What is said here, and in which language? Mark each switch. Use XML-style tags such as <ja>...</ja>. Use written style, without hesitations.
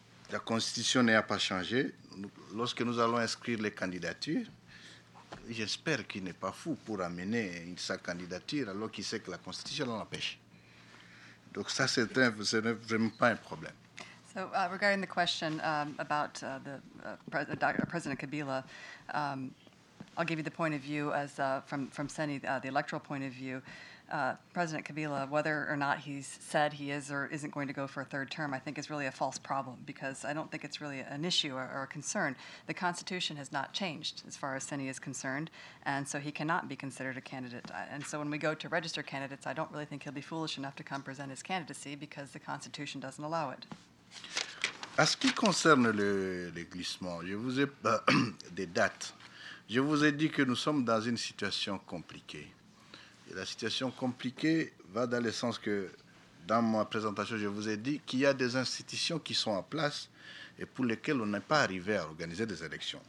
<fr>La Constitution n'a pas changé. Lorsque nous allons inscrire les candidatures, j'espère qu'il n'est pas fou pour amener sa candidature alors qu'il sait que la Constitution l'empêche. Donc ça, ce n'est vraiment pas un problème.</fr> <en>So, regarding the question about President Kabila, I'll give you the point of view as from CENI, the electoral point of view. President Kabila, whether or not he's said he is or isn't going to go for a third term, I think is really a false problem, because I don't think it's really an issue or a concern. The Constitution has not changed as far as CENI is concerned, and so he cannot be considered a candidate. And so when we go to register candidates, I don't really think he'll be foolish enough to come present his candidacy, because the Constitution doesn't allow it.</en> <fr>À ce qui concerne le glissement, je vous ai des dates. Je vous ai dit que nous sommes dans une situation compliquée. La situation compliquée va dans le sens que, dans ma présentation, je vous ai dit qu'il y a des institutions qui sont en place et pour lesquelles on n'est pas arrivé à organiser des élections.</fr>